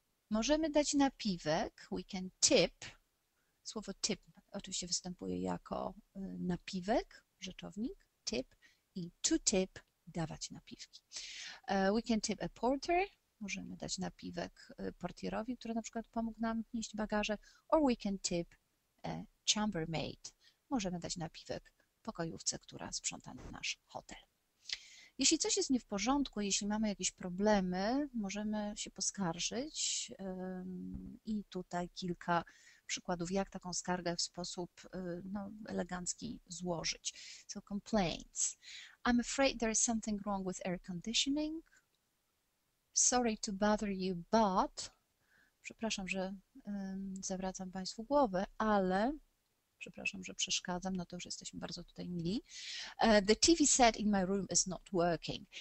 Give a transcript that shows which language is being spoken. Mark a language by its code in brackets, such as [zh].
[pl] Możemy dać napiwek, [en] we can tip. [pl] Słowo tip oczywiście występuje jako napiwek, rzeczownik, tip i to tip, dawać napiwki. [en] We can tip a porter, [pl] Możemy dać napiwek portierowi, który na przykład pomógł nam nieść bagaże. [en] Or we can tip a chambermaid. [pl] Możemy dać napiwek pokojówce, która sprząta nasz hotel. Jeśli coś jest nie w porządku, jeśli mamy jakieś problemy, możemy się poskarżyć. I tutaj kilka przykładów, jak taką skargę w sposób elegancki złożyć. [en] So complaints. I'm afraid there is something wrong with air conditioning. Sorry to bother you, but... [pl] Przepraszam, że zawracam Państwu głowę, ale... Przepraszam, że przeszkadzam, no to już jesteśmy bardzo tutaj mili. [en] The TV set in my room is not working.